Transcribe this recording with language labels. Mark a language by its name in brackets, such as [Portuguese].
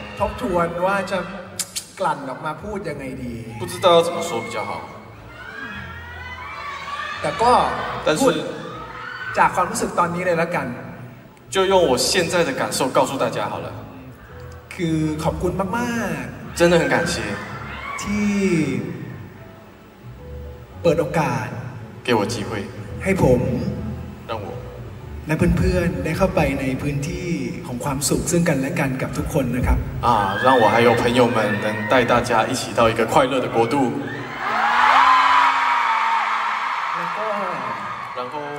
[Thai] ทบทวนว่าจะกลั่นออกมาพูดยังไงดี [Chinese] 不知道怎么说比较好 [Thai] แต่ก็ [Chinese] 但是 [Thai] จากความรู้สึกตอนนี้เลยละกัน [Chinese] 就用我现在的感受告诉大家好了 [Thai] คือขอบคุณมากๆ [Chinese] 真的很感谢 [Thai] ที่เปิดโอกาส [Chinese] 给我机会 [Thai] ให้ผม [Chinese] 让我 [Thai] และเพื่อนๆได้เข้าไปในพื้นที่ของความสุขซึ่งกันและกันกับทุกคนนะครับ [Chinese] 让我还有朋友们能带大家一起到一个快乐的国度然后